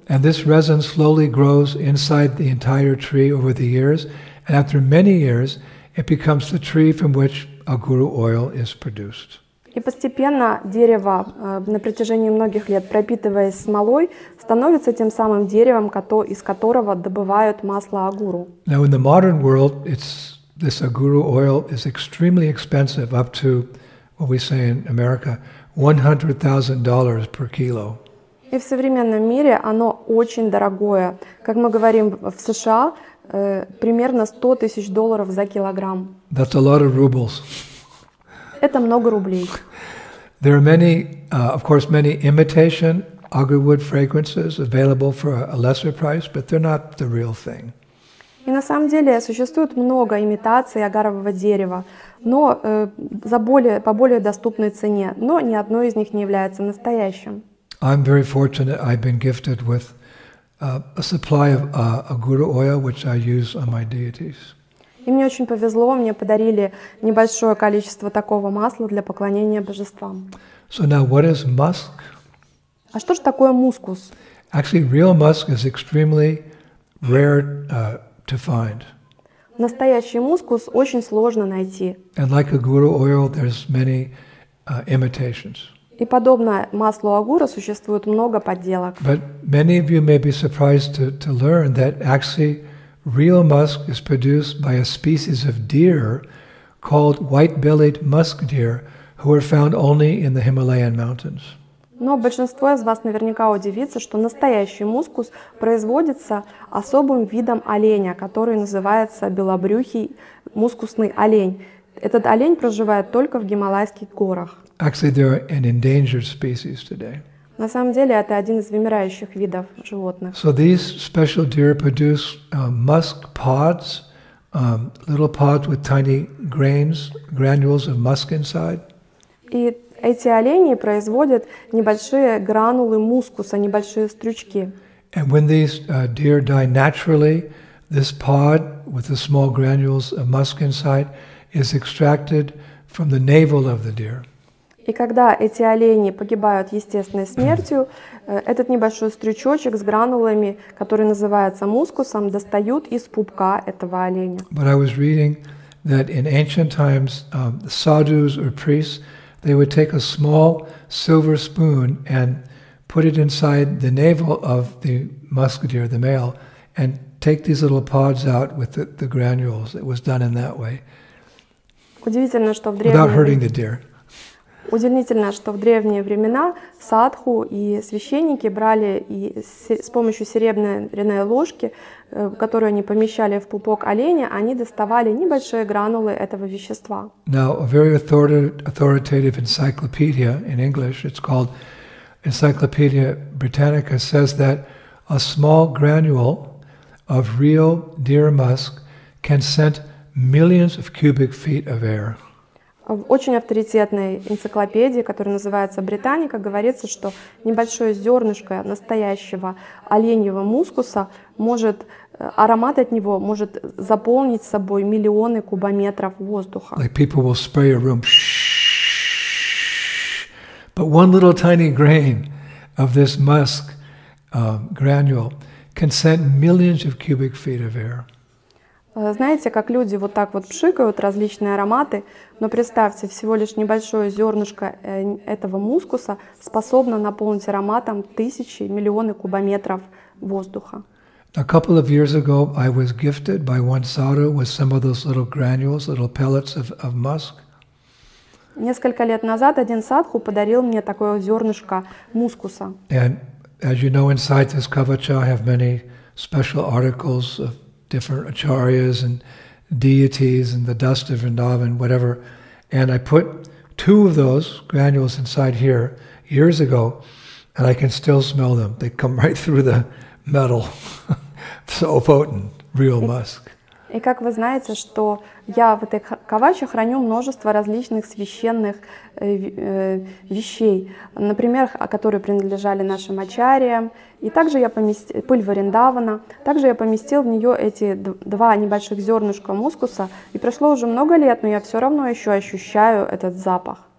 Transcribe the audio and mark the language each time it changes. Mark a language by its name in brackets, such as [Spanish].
[English] And this resin slowly grows inside the entire tree over the years, and after many years, it becomes the tree from which aguru oil is produced. [Russian] И постепенно дерево на протяжении многих лет, пропитываясь смолой, становится тем самым деревом, из которого добывают масло агуру. [English] Now in the modern world, this aguru oil is extremely expensive, up to what we say in America, $100,000 per kilo. [Russian] И в современном мире оно очень дорогое. Как мы говорим в США, примерно 100 тысяч долларов за килограмм. [English] That's a lot of rubles. [Russian] Это много рублей. [English] There are many, of course, many imitation agarwood fragrances available for a lesser price, but they're not the real thing. [Russian] И на самом деле существует много имитаций агарового дерева, но по более доступной цене, но ни одно из них не является настоящим. [English] I'm very fortunate. I've been gifted with a supply of aguru oil, which I use on my deities. [Russian] И мне очень повезло, мне подарили небольшое количество такого масла для поклонения божествам. [English] So now, what is musk? [Russian] А что же такое мускус? [English] Actually, real musk is extremely rare to find. [Russian] Настоящий мускус очень сложно найти. [English] And like aguru oil, there's many imitations. [Russian] И подобно маслу агура существует много подделок. [English] But many of you may be surprised to learn that actually real musk is produced by a species of deer called white-bellied musk deer, who are found only in the Himalayan mountains. [Russian] Но большинство из вас наверняка удивится, что настоящий мускус производится особым видом оленя, который называется белобрюхий мускусный олень. Этот олень проживает только в Гималайских горах. [English] Actually, they're an endangered species today. [Russian] На самом деле, это один из вымирающих видов животных. [English] So these special deer produce musk pods, little pods with tiny grains, granules of musk inside. [Russian] И эти олени производят небольшие гранулы мускуса, небольшие стручки. [English] And when these deer die naturally, this pod with the small granules of musk inside is extracted from the navel of the deer. [Russian] И когда эти олени погибают естественной смертью, этот небольшой стрючочек с гранулами, который называется мускусом, достают из пупка этого оленя. [English] But I was reading that in ancient times, sadhus or priests, they would take a small silver spoon and put it inside the navel of the musk deer, the male, and take these little pods out with the granules. It was done in that way. [Russian] Удивительно, что в древнем... [English] Without hurting the deer. [Russian] Удивительно, что в древние времена садху и священники брали и с помощью серебряной ложки, которую они помещали в пупок оленя, они доставали небольшие гранулы этого вещества. [English] Now, a very authoritative encyclopedia in English, it's called Encyclopedia Britannica, says that a small granule of real deer musk can scent millions of cubic feet of air. [Russian] В очень авторитетной энциклопедии, которая называется «Британика», говорится, что небольшое зернышко настоящего оленьего мускуса может, аромат от него может заполнить собой миллионы кубометров воздуха. [English] Like people will spray a room, shh, but one little tiny grain of this musk granule can send millions of cubic feet of air. [Russian] Знаете, как люди вот так вот пшикают различные ароматы, но представьте, всего лишь небольшое зернышко этого мускуса способно наполнить ароматом тысячи, миллионы кубометров воздуха. [English] A couple of years ago I was gifted by one sadhu with some of those little granules, little pellets of musk. [Russian] Несколько лет назад один садху подарил мне такое зернышко мускуса. [English] And as you know, inside this kavacha I have many special articles of different acharyas and deities and the dust of Vrindavan, whatever. And I put two of those granules inside here years ago, and I can still smell them. They come right through the metal. So potent, real musk. [Russian] И как вы знаете, что я в этой каваче храню множество различных священных вещей, например, которые принадлежали нашим ачарьям, и также я поместил пыль Вриндавана, также я поместил в нее эти два небольших зернышка мускуса, и прошло уже много лет, но я все равно еще ощущаю этот запах.